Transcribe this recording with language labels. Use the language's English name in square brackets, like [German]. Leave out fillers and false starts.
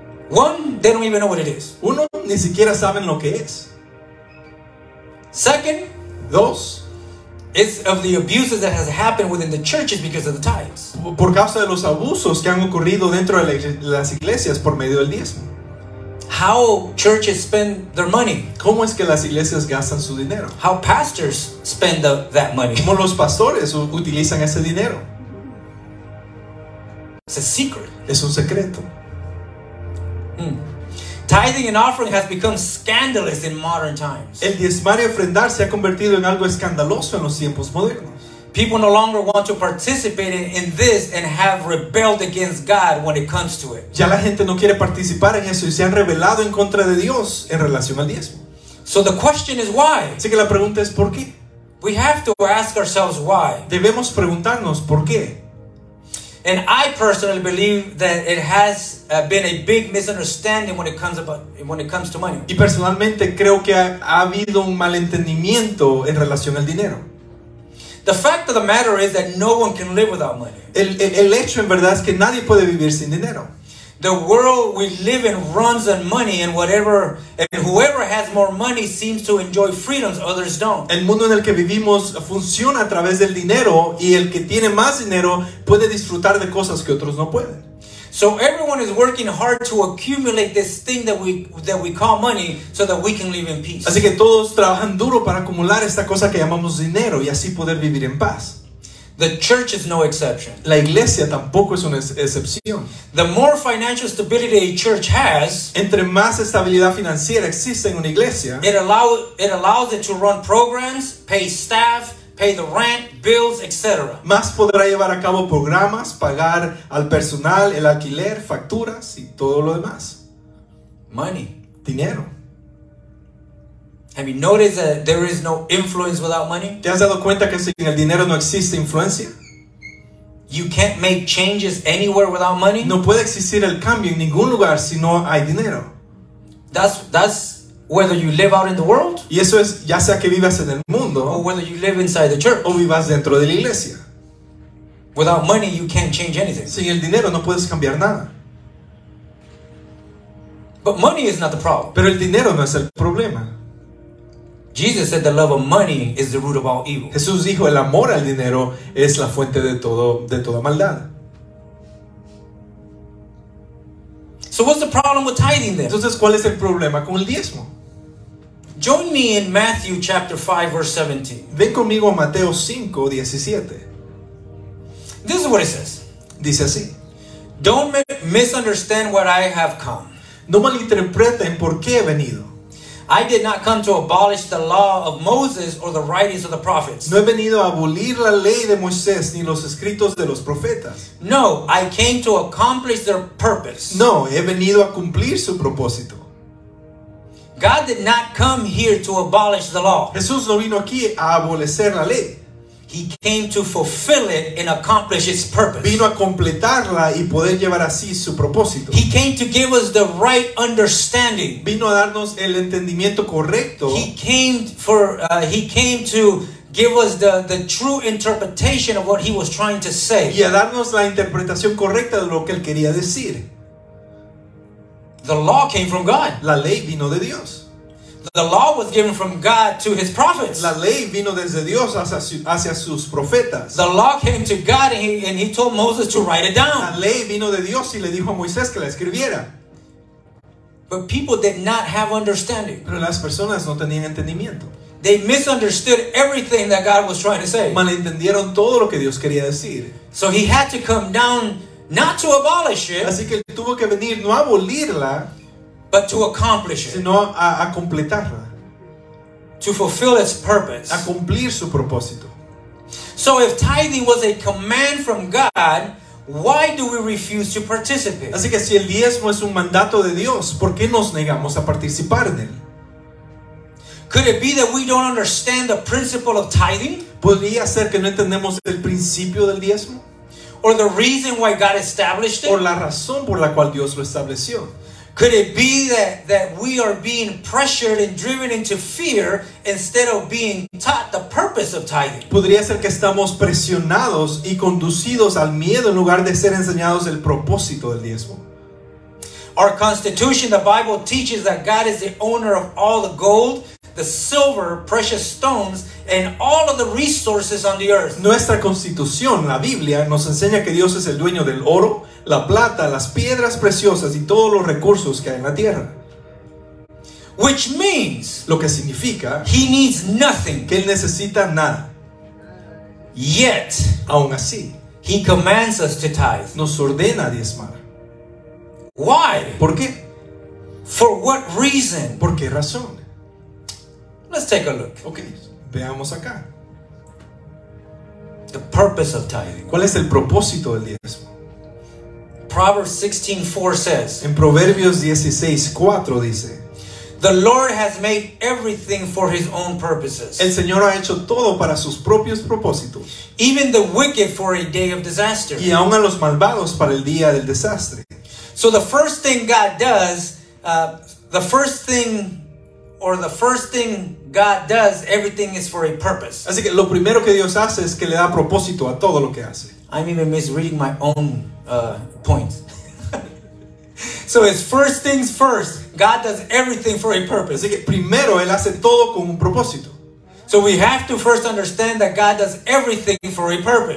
[English] One, they don't even know what it is. [Spanish] Uno, ni siquiera saben lo que es. [English] Second, [Spanish] dos, [English] it's of the abuses that has happened within the churches because of the tithes. [Spanish] Por causa de los abusos que han ocurrido dentro de las iglesias por medio del diezmo. [English] How churches spend their money. [Spanish] ¿Cómo es que las iglesias gastan su dinero? [English] How pastors spend that money. [Spanish] ¿Cómo los pastores utilizan ese dinero? [English] It's a secret. [Spanish] Es un secreto. [English] Tithing and offering has become scandalous in modern times. [Spanish] El diezmar y ofrendar se ha convertido en algo escandaloso en los tiempos modernos. [English] People no longer want to participate in this and have rebelled against God when it comes to it. [Spanish] Ya la gente no quiere participar en eso y se han rebelado en contra de Dios en relación al diezmo. [English] So the question is why? [Spanish] Así que la pregunta es ¿por qué? [English] We have to ask ourselves why. [Spanish] Debemos preguntarnos ¿por qué? [English] And I personally believe that it has been a big misunderstanding when it comes to money. [Spanish] Y personalmente creo que ha habido un malentendimiento en relación al dinero. [English] The fact of the matter is that no one can live without money. [Spanish] El hecho en verdad es que nadie puede vivir sin dinero. [English] The world we live in runs on money, and whatever and whoever has more money seems to enjoy freedoms, others don't. [Spanish] El mundo en el que vivimos funciona a través del dinero, y el que tiene más dinero puede disfrutar de cosas que otros no pueden. [English] So everyone is working hard to accumulate this thing that we call money so that we can live in peace. [Spanish] Así que todos trabajan duro para acumular esta cosa que llamamos dinero y así poder vivir en paz. [English] The church is no exception. [Spanish] La iglesia tampoco es una excepción. [English] The more financial stability a church has, [Spanish] entre más estabilidad financiera existe en una iglesia, [English] it allows it to run programs, pay staff, pay the rent, bills, etc. [Spanish] Más podrá llevar a cabo programas, pagar al personal, el alquiler, facturas y todo lo demás. [English] Money. [Spanish] Dinero. [English] Have you noticed that there is no influence without money? [Spanish] ¿Te has dado cuenta que sin el dinero no existe influencia? [English] You can't make changes anywhere without money? [Spanish] No puede existir el cambio en ningún lugar si no hay dinero. [English] That's whether you live out in the world, [Spanish] y eso es ya sea que vivas en el mundo, [English] or whether you live inside the church, [Spanish] o vivas dentro de la iglesia. [English] Without money, you can't change anything. [Spanish] Sin el dinero no puedes cambiar nada. [English] But money is not the problem. [Spanish] Pero el dinero no es el problema. [English] Jesus said the love of money is the root of all evil. [Spanish] Jesús dijo el amor al dinero es la fuente de toda maldad. [English] So what's the problem with tithing then? [Spanish] Entonces, ¿cuál es el problema con el diezmo? [English] Join me in Matthew chapter 5 verse 17. [Spanish] Ven conmigo a Mateo 5, 17. [English] This is what it says. [Spanish] Dice así. [English] Don't misunderstand what I have come. [Spanish] No malinterpreten por qué he venido. [English] I did not come to abolish the law of Moses or the writings of the prophets. [Spanish] No he venido a abolir la ley de Moisés ni los escritos de los profetas. [English] No, I came to accomplish their purpose. [Spanish] No, he venido a cumplir su propósito. [English] God did not come here to abolish the law. [Spanish] Jesús no vino aquí a abolecer la ley. [English] He came to fulfill it and accomplish its purpose. [Spanish] Vino a completarla y poder llevar así su propósito. [English] He came to give us the right understanding. [Spanish] Vino a darnos el entendimiento correcto. [English] He came to give us the true interpretation of what he was trying to say. [Spanish] Y a darnos la interpretación correcta de lo que él quería decir. [English] The law came from God. [Spanish] La ley vino de Dios. [English] The law was given from God to his prophets. [Spanish] La ley vino desde Dios hacia sus profetas. [English] The law came to God and he told Moses to write it down. [Spanish] La ley vino de Dios y le dijo a Moisés que la escribiera. [English] But people did not have understanding. [Spanish] Pero las personas no tenían entendimiento. [English] They misunderstood everything that God was trying to say. [Spanish] Malentendieron todo lo que Dios quería decir. [English] So he had to come down not to abolish it. [Spanish] Así que él tuvo que venir no a abolirla. [English] but to accomplish it. [Spanish] Sino a completarla. [English] To fulfill its purpose. [Spanish] A cumplir su propósito. [English] So if tithing was a command from God, why do we refuse to participate? [Spanish] Así que si el diezmo es un mandato de Dios, ¿por qué nos negamos a participar en él? [English] Could it be that we don't understand the principle of tithing? [Spanish] ¿Podría ser que no entendemos el principio del diezmo? [English] Or the reason why God established it? [Spanish] ¿O la razón por la cual Dios lo estableció? [English] Could it be that we are being pressured and driven into fear instead of being taught the purpose of tithing? [Spanish] ¿Podría ser que estamos presionados y conducidos al miedo en lugar de ser enseñados el propósito del diezmo? [English] Our constitution, the Bible teaches that God is the owner of all the gold, the silver, precious stones, and all of the resources on the earth. [Spanish] Nuestra constitución, la Biblia, nos enseña que Dios es el dueño del oro, la plata, las piedras preciosas y todos los recursos que hay en la tierra. [English] Which means, [Spanish] lo que significa, [English] he needs nothing. [Spanish] Que él necesita nada. [English] Yet, [Spanish] aún así, [English] he commands us to tithe. [Spanish] Nos ordena a diezmar. [English] Why? [Spanish] ¿Por qué? [English] For what reason? [Spanish] ¿Por qué razón? [English] Let's take a look. [Spanish] Okay, veamos acá. [English] The purpose of tithing. [Spanish] ¿Cuál es el propósito del diezmo? [English] Proverbs 16:4 says. [Spanish] En Proverbios 16:4 dice. [English] The Lord has made everything for his own purposes. [Spanish] El Señor ha hecho todo para sus propios propósitos. [English] Even the wicked for a day of disaster. [Spanish] Y aun a los malvados para el día del desastre. [English] So the first thing God does, the first thing God does, everything is for a purpose. [Spanish] Así que lo primero que Dios hace es que le da propósito a todo lo que hace. [English] I'm even misreading my own points. So it's first things first. God does everything for a purpose. [Spanish] Así que primero él hace todo con un propósito. [English] So we have to first understand that God does everything for a purpose.